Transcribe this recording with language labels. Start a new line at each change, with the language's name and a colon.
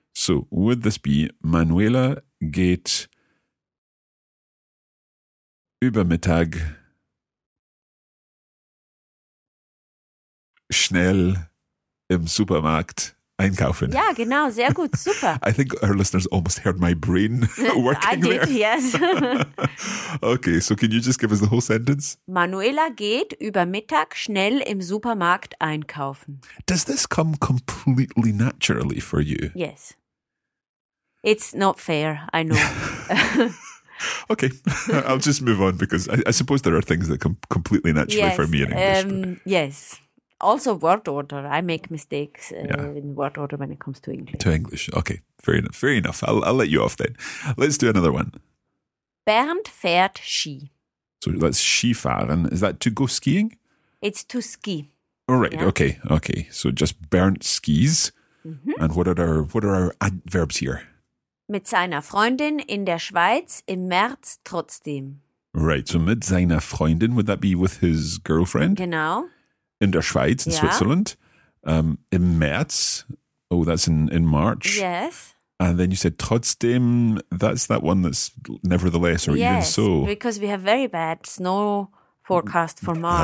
English: So would this be
German: Manuela geht übermittag schnell im Supermarkt Einkaufen. Ja, genau. Sehr gut. Super.
English: I think our listeners almost heard my brain working there. I did, yes. Okay, so can you just give us the whole sentence?
German: Manuela geht über Mittag schnell im Supermarkt einkaufen.
English: Does this come completely naturally for you? Yes. It's not fair, I know. Okay, I'll just move on because I suppose there are things that come completely naturally for me in English. Yes. Also word order. I make mistakes in word order when it comes to English. To English. Okay, fair enough. Fair enough. I'll let you off then. Let's do another one.
German: Bernd fährt Ski.
English: So that's Skifahren. Is that to go skiing? It's to ski. All right. Yeah. Okay. Okay. So just Bernd skis. Mm-hmm. And what are our adverbs here?
German: Mit seiner Freundin in der Schweiz im März trotzdem.
English: Right, so
German: mit seiner Freundin,
English: would that be with his girlfriend?
German: Genau. In der Schweiz,
English: in Switzerland.
German: Im März,
English: oh, that's in March. Yes. And then you said trotzdem, that's that one that's nevertheless or even so. Yes, because we have very bad snow forecast for March.